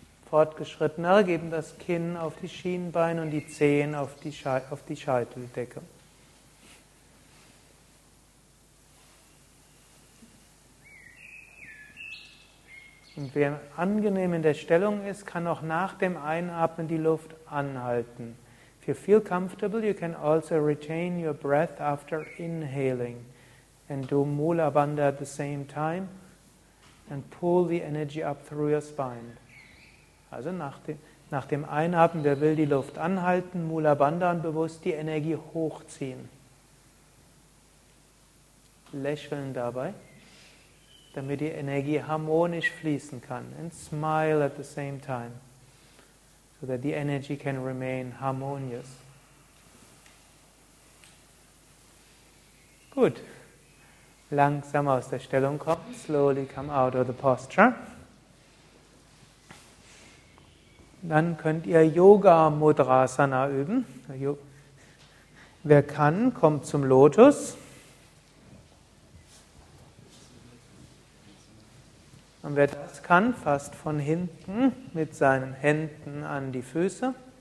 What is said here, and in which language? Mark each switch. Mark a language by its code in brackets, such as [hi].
[de] Fortgeschrittener geben das Kinn auf die Schienbeine und die Zehen auf die Scheiteldecke. Und wer angenehm in der Stellung ist, kann auch nach dem Einatmen die Luft anhalten. [en] If you feel comfortable, you can also retain your breath after inhaling and do Mula Bandha at the same time and pull the energy up through your spine. [de] Also nach dem Einatmen, wer will die Luft anhalten, Mula Bandha und bewusst die Energie hochziehen. Lächeln dabei, damit die Energie harmonisch fließen kann, [en] and smile at the same time. So that the energy can remain harmonious. [de] Gut. Langsam aus der Stellung kommen. [en] Slowly come out of the posture. [de] Dann könnt ihr Yoga Mudrasana üben. Wer kann, kommt zum Lotus. Und wer das kann, fasst von hinten mit seinen Händen an die Füße.